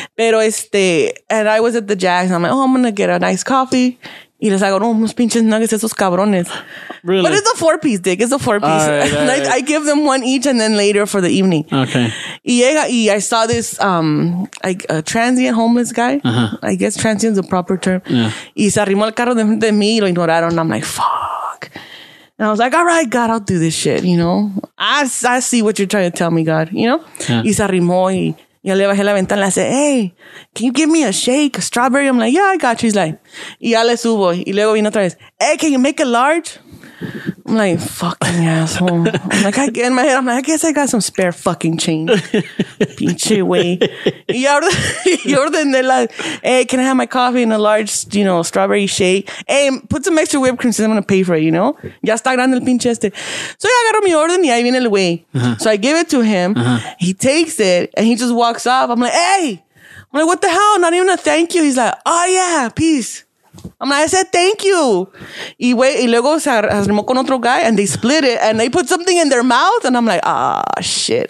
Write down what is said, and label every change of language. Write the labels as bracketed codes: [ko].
[en] Pero and I was at the Jack's, and I'm like, oh, I'm going to get an iced coffee. [es] Y les hago, oh, unos pinches nuggets, esos cabrones. [en] Really? But it's a four-piece, Dick. It's a four-piece. All right, all right. I give them one each, and then later for the evening. Okay. Y I saw this a transient homeless guy. Uh-huh. I guess transient is the proper term. Yeah. [es] Y se arrimó el carro de frente de mí y lo ignoraron. [en] I'm like, fuck. And I was like, all right, God, I'll do this shit, you know. I see what you're trying to tell me, God, you know. Yeah. [es] Y se arrimó y yo le bajé la ventana. [en] I said, hey, can you give me a shake, a strawberry? I'm like, yeah, I got you. He's like, [es] y ya le subo. Y luego vino otra vez, [en] hey, can you make a large? I'm like, fucking asshole. I'm like, in my head, I'm like, I guess I got some spare fucking change. [es] Pinche wey. Y ordené la, [en] hey, can I have my coffee and a large, you know, strawberry shake? Hey, put some extra whipped cream since I'm going to pay for it, you know? [es] Ya está grande el pinche este. [en] So yeah, I got [es] mi orden y ahí viene el wey. [en] So I give it to him. Uh-huh. He takes it and he just walks off. I'm like, hey. I'm like, what the hell? Not even a thank you. He's like, oh yeah, peace. I'm like, I said thank you. Y wait, [es] y luego se arrimó con otro [en] guy and they split it and they put something in their mouth and I'm like, ah, shit.